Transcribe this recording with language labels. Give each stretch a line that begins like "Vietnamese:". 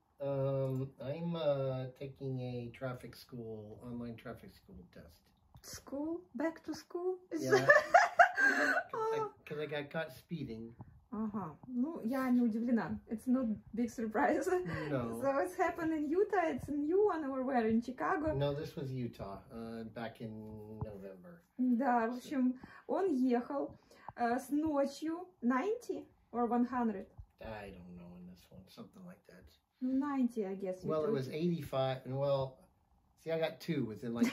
English: I'm taking a traffic school, online traffic school test. School? Back to school? Yeah. Because I got caught speeding.
Russian: Ага. Ну, я не удивлена.
English: It's not big surprise. No. So it's happened in Utah. It's a new one over where in Chicago. No, this was Utah. Back in November.
Russian: Да, в общем, он ехал с ночью 90 or 100?
English: I don't know in this one. Something like that. 90, I guess. Well, it was 85. And well, see, I got two within like...